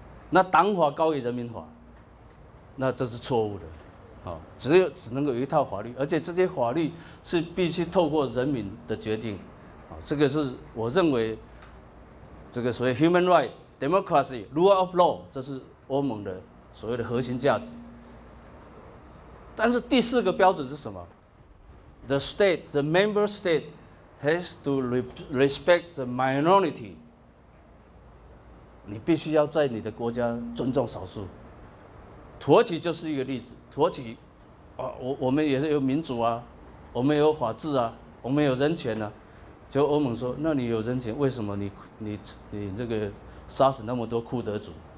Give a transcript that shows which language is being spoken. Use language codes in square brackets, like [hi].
[zh] 那党法高于人民法，那这是错误的，啊，只能够有一套法律，而且这些法律是必须透过人民的决定，啊，这个是我认为这个所谓 [en] human right democracy rule of law， [zh] 这是欧盟的所谓的核心价值。但是第四个标准是什么 ？ [en] The state, the member state。 Has to respect the minority. [zh] 你必须要在你的国家尊重少数。土耳其就是一个例子。土耳其，啊，我们也是有民主啊，我们有法治啊，我们有人权啊。就欧盟说，那你有人权，为什么你这个杀死那么多库德族？